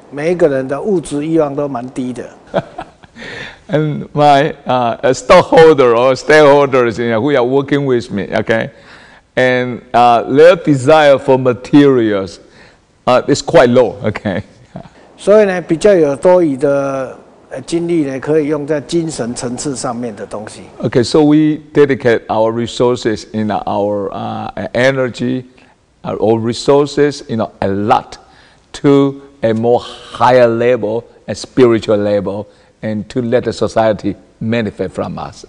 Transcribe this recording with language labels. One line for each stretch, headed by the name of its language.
Chinese: 我的股东成员呢，每一个人的物质欲望都蛮低的。
English: And my stockholder or stakeholders, you know, who are working with me, okay, and their desire for materials is quite low, okay.
Chinese: 所以呢，比较有多余的精力呢，可以用在精神层次上面的东西。
English: Okay, so we dedicate our resources in our energy or resources, you know, a lot to a more higher level, a spiritual level. And to let the society benefit from us.